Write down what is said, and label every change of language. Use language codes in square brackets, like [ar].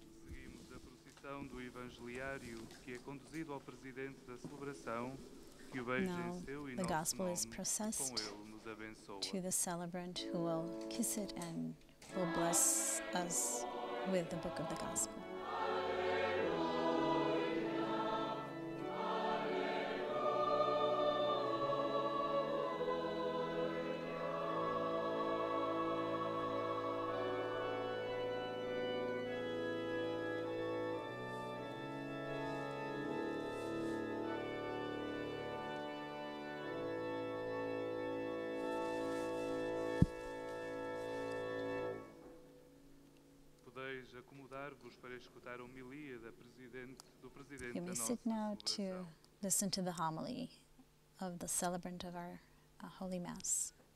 [pt] Seguimos a procissão do Evangeliário que é conduzido ao presidente da celebração que o beija em seu e nosso nome com ele nos abençoa. [en] To the celebrant who will kiss it and will bless us with the book of the gospel. [pt] Acomodar-vos para escutar a homilia da presidente do presidente da nossa celebração. [en] To listen to the homily of the celebrant of our Holy Mass.